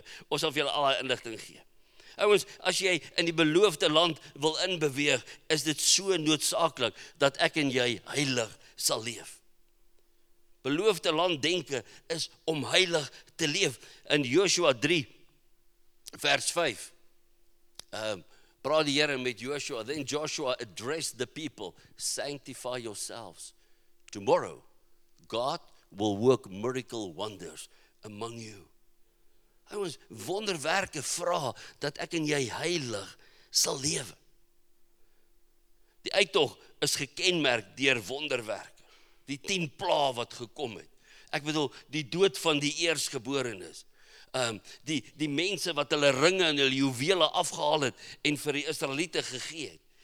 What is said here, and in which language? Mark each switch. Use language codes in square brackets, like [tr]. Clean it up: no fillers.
[af] Ons sal vir julle al die inligting gee. Ouens, as jy in die beloofde land wil inbeweeg, is dit so noodsaaklik dat ek en jy heilig sal leef. Beloofde land denke is om heilig te leef. In Joshua 3 vers 5 praat die Here met Joshua. [en] Then Joshua addressed the people, sanctify yourselves. Tomorrow God will work miracle wonders among you. [af] Hy ons wonderwerke vra dat ek en jy heilig sal lewe. Die uittog is gekenmerk deur wonderwerk. Die 10 plaag wat gekom het. Ek bedoel, die dood van die eersgeborenes. Die mense wat hulle ringe en hulle juwele afgehaal het en vir die Israeliete gegee het.